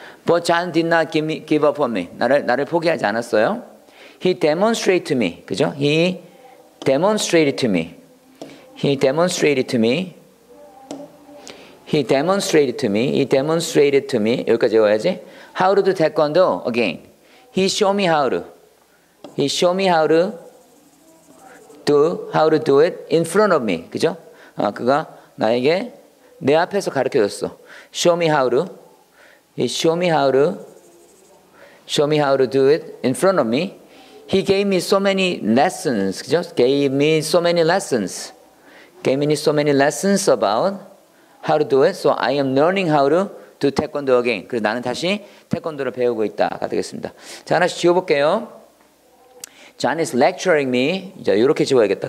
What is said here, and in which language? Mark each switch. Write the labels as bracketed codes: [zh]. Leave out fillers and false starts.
[en] But John did not give up on me. [ko] 나를 포기하지 않았어요. [en] He demonstrated to me. [ko] 그죠? [en] He demonstrated to me. He demonstrated to me. He demonstrated to me. He demonstrated to me. [ko] 여기까지 외워야지. [en] How to do taekwondo again. He showed me how to. He showed me how to do it in front of me. [ko] 그죠? 그가 나에게 내 앞에서 가르쳐줬어. [en] Show me how to. He showed me how to. Show me how to do it in front of me. He gave me so many lessons. [ko] 그죠? [en] Gave me so many lessons. Gave me so many lessons about how to do it. So I am learning how to do taekwondo again. [ko] 그래서 나는 다시 태권도를 배우고 있다가 되겠습니다. 자, 하나씩 지워볼게요. [en] John is lecturing me. [ko] 이제 이렇게 지워야겠다.